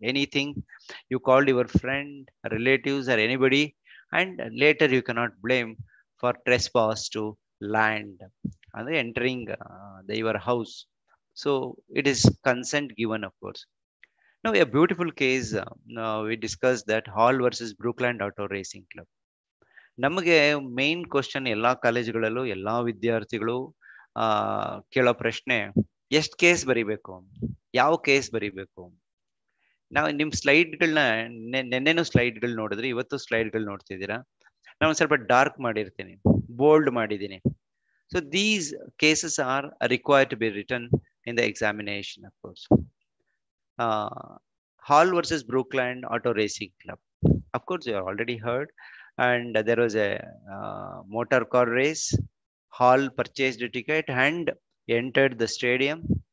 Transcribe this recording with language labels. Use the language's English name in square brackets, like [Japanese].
[English] Anything, you called your friend, relatives or anybody, and later you cannot blame for trespass to land and entering your house. So it is consent given, of course. Now a beautiful case. We discussed that Hall versus Brookland Auto Racing Club. [Kannada] ನಮಗೆ main question ಎಲ್ಲ ಕಾಲೇಜ್ಗಳಲ್ಲೂ ಎಲ್ಲ ವಿದ್ಯಾರ್ಥಿಗಳು ಕೇಳೋ ಪ್ರಶ್ನೆ ಎಷ್ಟು case ಬರೀಬೇಕು ಯಾವ case ಬರೀಬೇಕು ನಾವು ನಿಮ್ಮ ಸ್ಲೈಡ್ಗಳನ್ನ ನಿನ್ನೆನೂ ಸ್ಲೈಡ್ಗಳು ನೋಡಿದ್ರಿ ಇವತ್ತು ಸ್ಲೈಡ್ಗಳು ನೋಡ್ತಿದ್ದೀರಾ ನಾನು ಒಂದು ಸ್ವಲ್ಪ ಡಾರ್ಕ್ ಮಾಡಿರ್ತೀನಿ ಬೋಲ್ಡ್ ಮಾಡಿದ್ದೀನಿ [English] So these cases are required to be written in the examination, of course. Hall versus Brookline Auto Racing Club. Of course, you have already heard. And there was a motor car race. Hall purchased a ticket and entered the stadium.